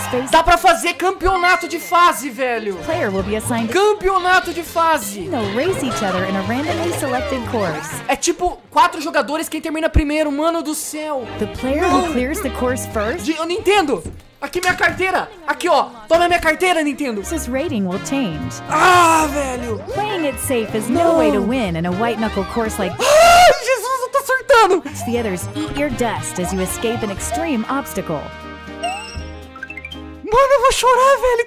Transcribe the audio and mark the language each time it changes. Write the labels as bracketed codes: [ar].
[pt] Dá pra fazer campeonato de fase, velho. Campeonato de fase. [en] Race each other in a randomly selected course. [pt] É tipo quatro jogadores, quem termina primeiro, mano do céu. [en] The player who clears the course first? [pt] Eu não entendo. Aqui minha carteira. Aqui, ó. Toma minha carteira, Nintendo. [en] This rating will change. [pt] Ah, velho. [en] Playing it safe is no way to win in a white knuckle course like. [pt] Ah, Jesus, eu tô surtando. [en] Watch the others eat your dust as you escape an extreme obstacle. [pt] Mano, eu vou chorar, velho.